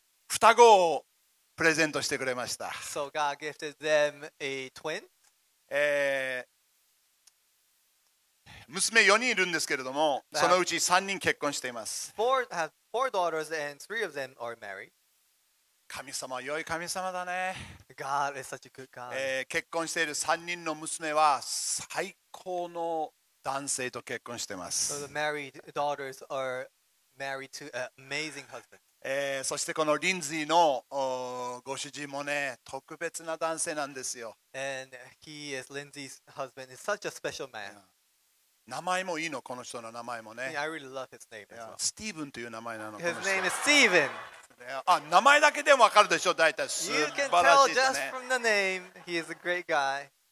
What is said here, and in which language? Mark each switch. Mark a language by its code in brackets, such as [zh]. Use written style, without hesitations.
[ja] 双子をプレゼントしてくれました。 [en] So God gifted them a twin? [ja] 娘4人いるんですけれども、そのうち3人結婚しています。 [en] Four have four daughters and three of them are married. [ja] 神様は良い神様だね。 [en] God is such a good God. [ja] 結婚している3人の娘は最高の男性と結婚しています。 [en] So the married daughters are married to an amazing husband. [ja] そしてこのリンズィーのご主人もね、特別な男性なんですよ。 [en] And he is Lindsay's husband. He's such a special man. [ja] 名前もいいの、この人の名前もね。 [en] Yeah, I really love his name as well. [ja] スティーブンという名前なの。 [en] His name is Stephen. [ja] あ、名前だけでも分かるでしょ、大体。素晴らしいですね。 [en] You can tell just from the name, he is a great guy.